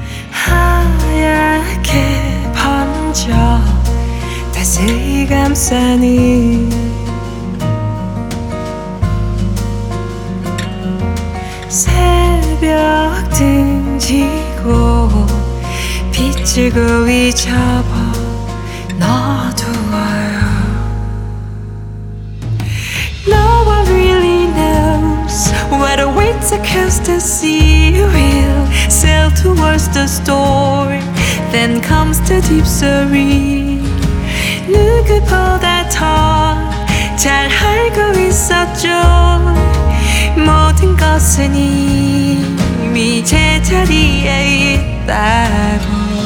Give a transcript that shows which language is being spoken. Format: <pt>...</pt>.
<ko>하얗게 번져 다시 감싸니 새벽 등지고 빛을 거의 접어 놔두어요.</ko> <en>No one really knows what awaits across the sea. We'll sail towards the storm, then comes the deep serene.</en> <ko>누구보다 더 잘 알고 있었죠. 모든 것은 이미 제자리에 있다고.</ko>